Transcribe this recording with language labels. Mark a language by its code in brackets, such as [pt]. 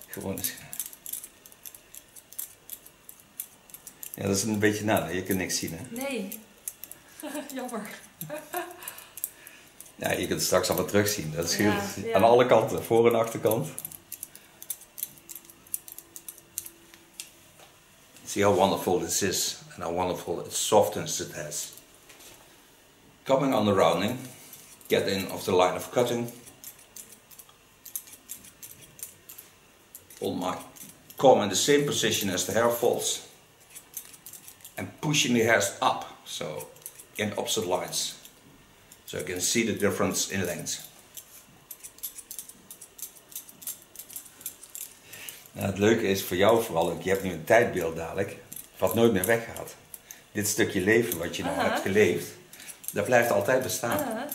[nl] Gewone schaar. Ja, dat is een beetje nadeel. Je kunt niks zien, hè? Nee. Jammer. Ja, je kunt het straks allemaal terugzien. Dat scheelt aan alle kanten, voor en achterkant. [en] See how wonderful this is and how wonderful it softens it has. Coming on the rounding, get in of the line of cutting. Hold my comb in the same position as the hair falls. And pushing the hairs up, so in opposite lines. So you can see the difference in length. [nl] Nou, het leuke is voor jou vooral ook, je hebt nu een tijdbeeld dadelijk, wat nooit meer weggaat. Dit stukje leven wat je nou hebt geleefd, dat blijft altijd bestaan.